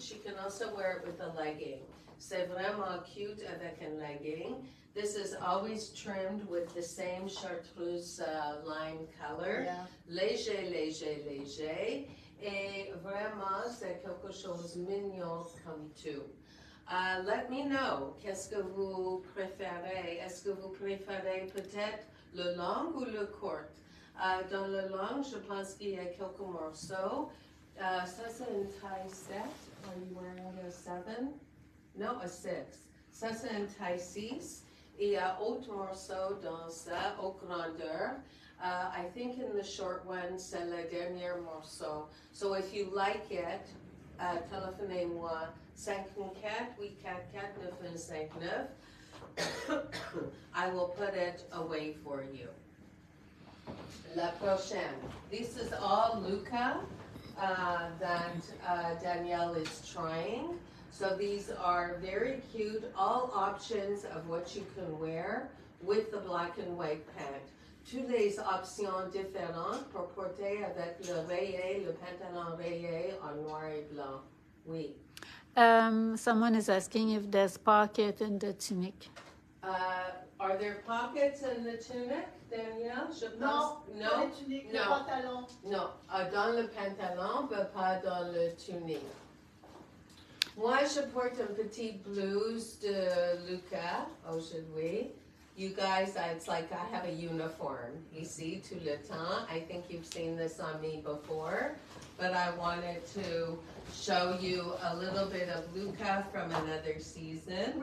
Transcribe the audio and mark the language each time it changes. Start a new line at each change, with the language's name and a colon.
English: She can also wear it with a legging.
French: C'est vraiment cute avec un legging.
English: This is always trimmed with the same chartreuse lime color. Yeah.
French: Léger, léger, léger. Et vraiment, c'est quelque chose mignon comme tout.
English: Let me know,
French: qu'est-ce que vous préférez? Est-ce que vous préférez peut-être le long ou le court? Dans le long, je pense qu'il y a quelques morceaux. Ça, c'est une taille 7.
English: Are you wearing a 7? No, a 6.
French: Ça, c'est une taille 6. Il y a autre morceau dans ça, au grandeur.
English: I think in the short one,
French: c'est le dernier morceau.
English: So if you like it,
French: téléphonez-moi
English: 54849559. I will put it away for you.
French: La prochaine.
English: This is all Luca that Danielle is trying. So these are very cute, all options of what you can wear with the black and white pant.
French: Toutes les options différentes pour porter avec le rayé, le pantalon rayé en noir et blanc. Oui.
English: Someone is asking if there's pocket in the tunic. Are there pockets in the tunic, Danielle?
French: Je pense, non, dans le tunic, non. Le pantalon. Non, dans le pantalon, mais pas dans le tunic. Moi, je porte un petit blouse de Luca, aujourd'hui.
English: You guys, it's like I have a uniform, you see,
French: tout le temps.
English: I think you've seen this on me before, but I wanted to show you a little bit of Luca from another season.